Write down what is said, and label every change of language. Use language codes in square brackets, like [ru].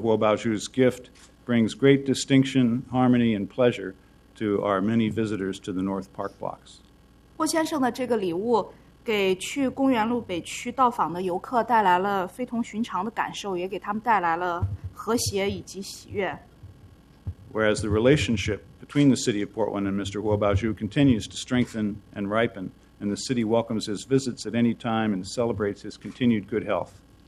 [en] Huo Baozhu's gift brings great distinction, harmony, and pleasure to our many visitors to the North Park blocks. [zh] 霍先生的这个礼物 给去公园路北区到访的游客带来了非同寻常的感受，也给他们带来了和谐以及喜悦。 [en] Whereas the relationship between the city of Portland and Mr. Huo Baozhu continues to strengthen and ripen, and the city welcomes his visits at any time and celebrates his continued good health.